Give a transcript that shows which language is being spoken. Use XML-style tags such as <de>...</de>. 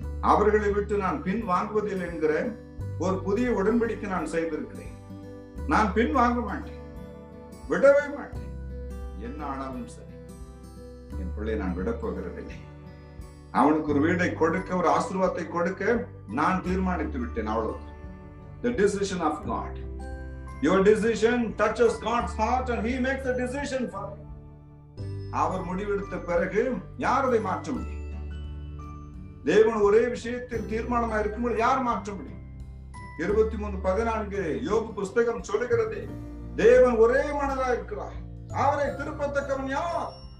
<ta>அவர்களை விட்டு நான் பின் வாங்குவதில்லை என்கிற ஒரு புதிய உடன்படிக்கை நான் செய்திருக்கிறேன். நான் பின் வாங்க மாட்டேன், விடவே மாட்டேன். என்ன ஆனாலும் சரி, என் பிள்ளையை நான் விடப்போகிறதில்லை. அவனுக்கு ஒரு வீடை கொடுக்க, ஒரு ஆசீர்வாதத்தை கொடுக்க நான் தீர்மானித்து விட்டேன்.</ta> <en>அவ்வளவு. The decision of God. Your decision touches God's heart and He makes a decision for you.</en> <ta>அவர் முடிவெடுத்த பிறகு யார் அதை மாற்ற முடியும்? தேவன் ஒரே விஷயத்தில் தீர்மானமா இருக்கும்போது யார் மாற்ற முடியும்? 23:14 யோபு புஸ்தகம் சொல்லுகிறதே, தேவன் ஒரே மனதா இருக்கிறார், அவரை திருப்பத்தக்கவன் யார்?</ta>